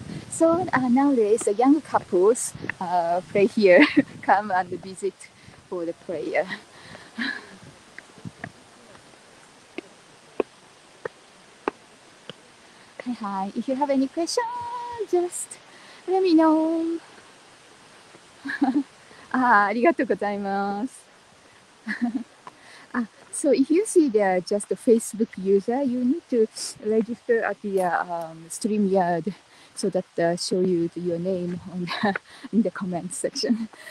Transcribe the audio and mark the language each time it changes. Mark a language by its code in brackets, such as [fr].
[en] So、nowadays, the young couples、pray here, come and visit for the prayer. Hi, hi. If you have any questions, just let me know. [ja] ありがとうございます。 [en] So if you see there just a Facebook user, you need to register at the StreamYard so that show you the, your name on the, in the comments section.